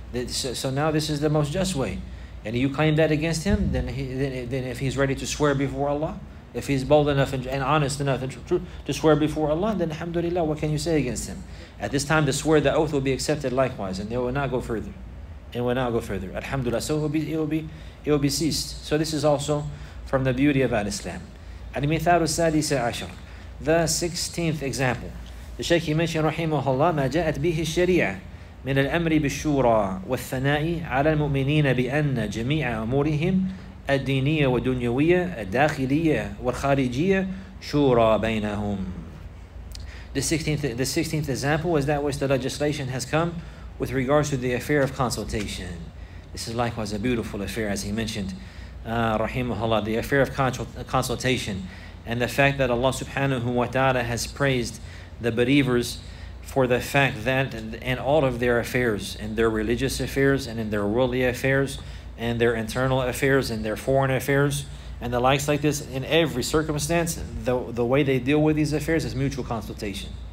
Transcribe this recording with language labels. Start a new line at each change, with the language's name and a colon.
English: So now this is the most just way. And you claim that against him, then if he's ready to swear before Allah, if he's bold enough and honest enough and true to swear before Allah, then alhamdulillah, what can you say against him? At this time, the oath will be accepted likewise, and they will not go further. It will not go further. Alhamdulillah. So it will be ceased. So this is also from the beauty of Al-Islam.
Arabic: Al-Mithal al-Sadis al-Ashr.
English: the 16th example. The Shaykh, he mentioned, rahimahullah,
Arabic: ما جاءت به الشريعة من الأمر بالشورى والثناء على المؤمنين بأن جميع أمورهم الدينية والدنيوية الداخلية والخارجية شورى بينهم.
English: The 16th example was that which the legislation has come with regards to the affair of consultation. This is likewise a beautiful affair, as he mentioned, rahimahullah, the affair of consultation, and the fact that Allah subhanahu wa ta'ala has praised the believers for the fact that in all of their affairs, in their religious affairs, and in their worldly affairs, and their internal affairs, and their foreign affairs, and the likes like this, in every circumstance, the way they deal with these affairs is mutual consultation.